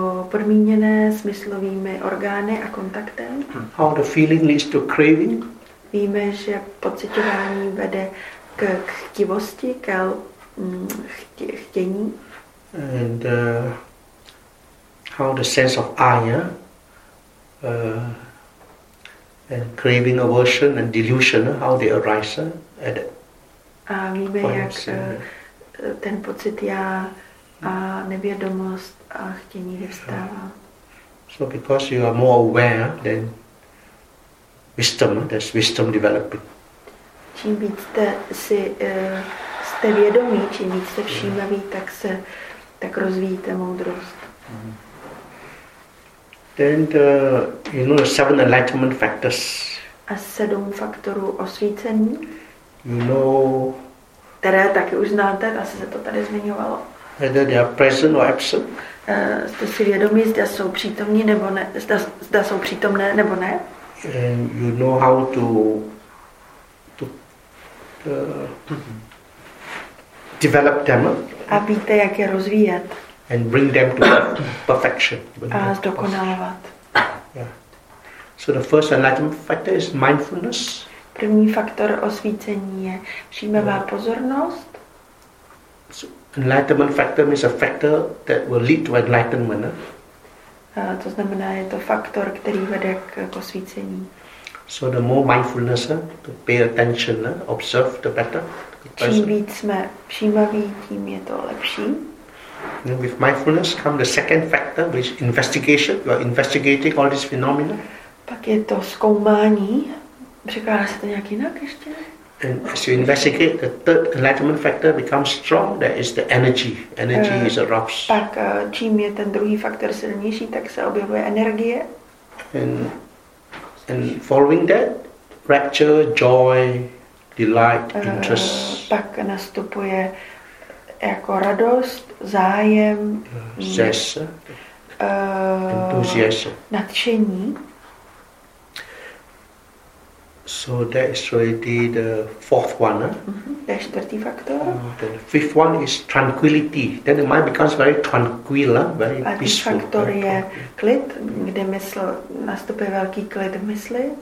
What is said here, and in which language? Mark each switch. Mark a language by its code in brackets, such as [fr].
[cs] Podmíněné smyslovými orgány a kontaktem. [en] How the feeling leads to craving. [cs] Víme, že pociťování vede k chtivosti, k chtění. [en] And how the sense of I, and craving, aversion and delusion, how they arise at that. [cs] A víme, jak ten pocit já a nevědomost a chtění vyvstává. [en] So because you are more aware, then wisdom, there's wisdom developing. [cs] Čím víc jste si jste vědomí, čím víc jste všímaví, tak se tak rozvíjíte moudrost. [en] Then the, you know, the seven enlightenment factors. [cs] A sedm faktorů osvícení. [en] You know. [cs] Které taky už znáte, asi se to tady zmiňovalo. [en] Whether they are present or absent. [cs] Jste si vědomí, zda jsou přítomní nebo ne, zda jsou přítomné nebo ne. [en] And you know how to develop them. [cs] A víte, jak je rozvíjet. [en] And bring them to perfection. [cs] A zdokonalovat. [en] Yeah. So the first enlightenment factor is mindfulness. [cs] První faktor osvícení je všímavá pozornost. [en] So enlightenment factor is a factor that will lead to enlightenment. [cs] To znamená, je to faktor, který vede k osvícení. [en] So the more mindfulness, to pay attention, observe, the better. [cs] Čím víc jsme všímaví, tím je to lepší. [en] And with mindfulness comes the second factor, which is investigation. You are investigating all these phenomena. [cs] Pak je to zkoumání. Překládá se to nějak jinak ještě? [en] And as you investigate, the third enlightenment factor becomes strong, that is the energy. Energy is erupts. [cs] Tak čím je ten druhý faktor silnější, tak se objevuje energie. [en] And following that, rapture, joy, delight, interest. [cs] Pak nastupuje jako radost, zájem, zes, enthusiasm, nadšení. [en] So that is already the fourth one. [cs] The čtvrtý faktor. [en] The fifth one is tranquility. Then the mind becomes very tranquil, very peaceful. [cs] Pátý faktor je klid, kde mysl nastupuje velký klid v mysli.